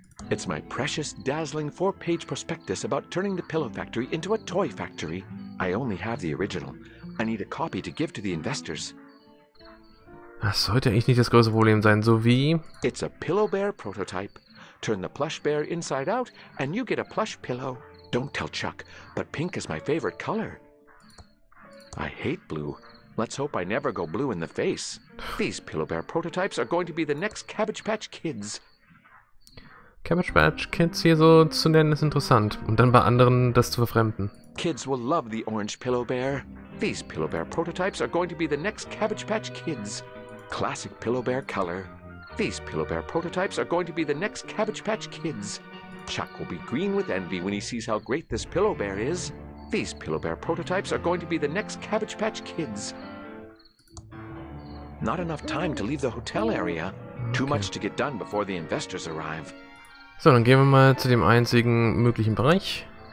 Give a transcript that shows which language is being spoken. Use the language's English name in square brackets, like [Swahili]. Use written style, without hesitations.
[English] It's my precious, dazzling 4-page prospectus about turning the pillow factory into a toy factory. I only have the original. I need a copy to give to the investors. [German] Das sollte eigentlich nicht das größte Problem sein, so wie... [English] It's a pillow bear prototype. Turn the plush bear inside out and you get a plush pillow. Don't tell Chuck, but pink is my favorite color. I hate blue. Let's hope I never go blue in the face. These pillow bear prototypes are going to be the next Cabbage Patch Kids. [German] Cabbage Patch Kids hier so zu nennen ist interessant und dann bei anderen das zu verfremden. [English] Kids will love the orange pillow bear. These pillow bear prototypes are going to be the next Cabbage Patch Kids. Classic pillow bear color. These pillow bear prototypes are going to be the next Cabbage Patch Kids. Chuck will be green with envy when he sees how great this pillow bear is. These pillow bear prototypes are going to be the next Cabbage Patch Kids. Not enough time to leave the hotel area. Okay. Too much to get done before the investors arrive. [German] So, dann gehen wir mal zu dem einzigen möglichen Bereich.